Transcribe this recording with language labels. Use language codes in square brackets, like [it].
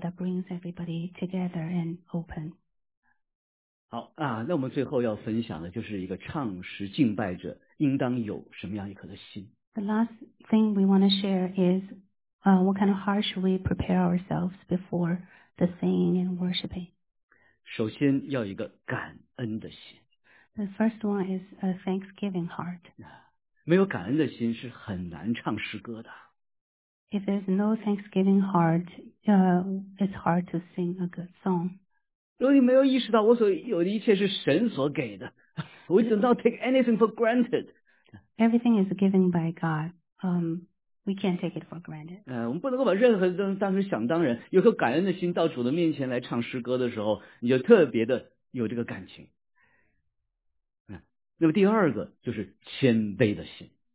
[en] That brings everybody together and open. [zh] 好啊，那我们最后要分享的就是一个唱诗敬拜者应当有什么样一颗的心。 [en] The last thing we want to share is, what kind of heart should we prepare ourselves before the singing and worshiping? [zh] 首先要一个感恩的心。 [en] The first one is a thanksgiving heart. [zh] 没有感恩的心是很难唱诗歌的。 [en] If there's no thanksgiving heart, it's hard to sing a good song. [zh] 如果你没有意识到我所有的一切是神所给的 ， [en] We do not take anything for granted. Everything is given by God. We can't take it for granted. [zh] 我们不能够把任何东西当成想当然。有个感恩的心，到主的面前来唱诗歌的时候，你就特别的有这个感情。那么第二个就是谦卑的心。